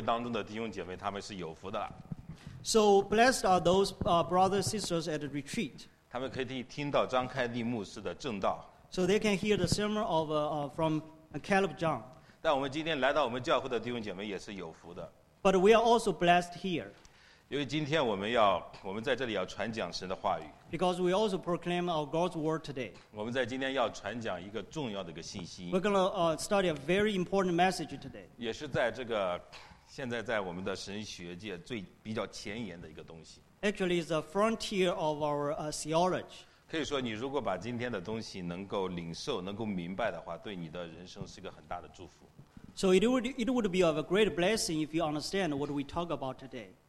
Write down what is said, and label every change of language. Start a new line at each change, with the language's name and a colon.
Chinese: 所以我们在退休会当中的弟兄姐妹，他们是有福的。
English: So blessed are those brothers and sisters at the retreat.
Chinese: 他们可以听到张开利牧师的正道。
English: So they can hear the sermon of from Caleb John.
Chinese: 但我们今天来到我们教会的弟兄姐妹也是有福的。
English: But we are also blessed here.
Chinese: 因为今天我们在这里要传讲神的话语。
English: Because we also proclaim our God's word today.
Chinese: 我们在今天要传讲一个重要的一个信息。
English: We're going to study a very important message today.
Chinese: 也是在这个现在在我们的神学界最比较前沿的一个东西。
English: Actually, it's a frontier of our theology.
Chinese: 可以说，你如果把今天的东西能够领受、能够明白的话，对你的人生是个很大的祝福。
English: So it would be of a great blessing if you understand what we talk about today.